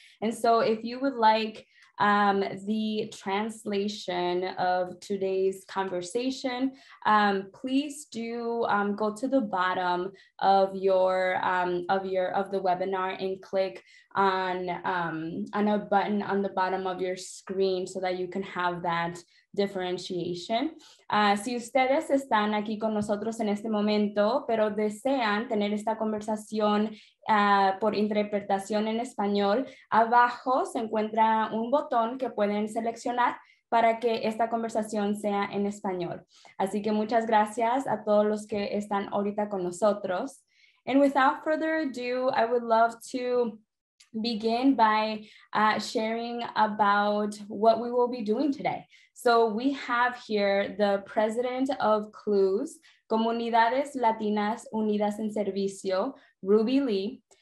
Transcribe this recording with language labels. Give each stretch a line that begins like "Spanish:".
English: And so if you would like the translation of today's conversation, please do go to the bottom of your the webinar and click on a button on the bottom of your screen so that you can have that differentiation.
Spanish: Si ustedes están aquí con nosotros en este momento, pero desean tener esta conversación por interpretación en español, abajo se encuentra un botón que pueden seleccionar para que esta conversación sea en español. Así que muchas gracias a todos los que están ahorita con nosotros.
English: And without further ado, I would love to begin by sharing about what we will be doing today. So we have here the president of CLUS, Comunidades Latinas Unidas en Servicio, Ruby Lee.